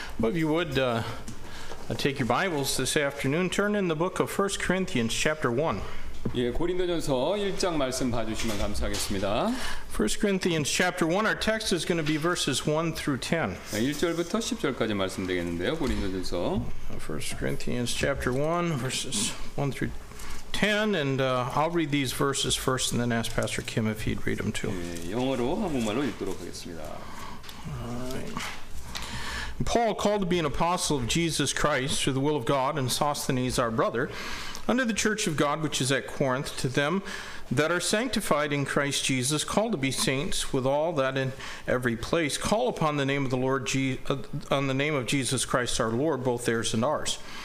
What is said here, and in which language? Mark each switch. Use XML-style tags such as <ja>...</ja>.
<en>Well, if you would take your Bibles this afternoon, turn in the book of 1 Corinthians chapter 1.</en> <ko>예, 고린도전서 1장 말씀 봐 주시면 감사하겠습니다.</ko> <en>1 Corinthians chapter 1, our text is going to be verses 1 through 10.</en> <ko>예, 1절부터 10절까지 말씀 되겠는데요. 고린도전서</ko> <en>1 Corinthians chapter 1 verses 1 through 10. And I'll read these verses first and then ask Pastor Kim if he'd read them too.</en> <ko>예, 영어로 한국말로 읽도록 하겠습니다.</ko> <en>Paul, called to be an apostle of Jesus Christ through the will of God, and Sosthenes, our brother, under the church of God which is at Corinth, to them that are sanctified in Christ Jesus, called to be saints with all that in every place, call upon the name of the Lord on the name of Jesus Christ our Lord, both theirs and ours.</en>